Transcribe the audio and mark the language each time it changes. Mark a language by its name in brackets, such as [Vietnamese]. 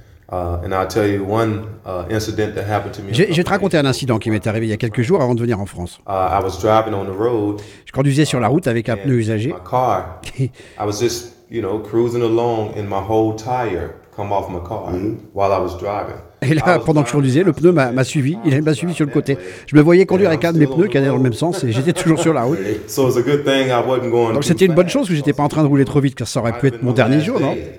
[English] And I'll tell you one incident that happened to me. [French] Je vais te raconter un incident qui m'est arrivé il y a quelques jours avant de venir en France. [English] I was driving on the road. [French] Je conduisais sur la route avec un pneu usagé. [English] My car. I was just, you know, cruising along, and my whole tire come off my car while I was driving. [French] Et là, pendant que je conduisais, le pneu m'a suivi. Il m'a suivi sur le côté. Je me voyais conduire avec un de mes pneus qui allait dans le même sens et j'étais toujours sur la route. Donc c'était une bonne chose que j'étais pas en train de rouler trop vite, car ça aurait pu être mon dernier jour, non?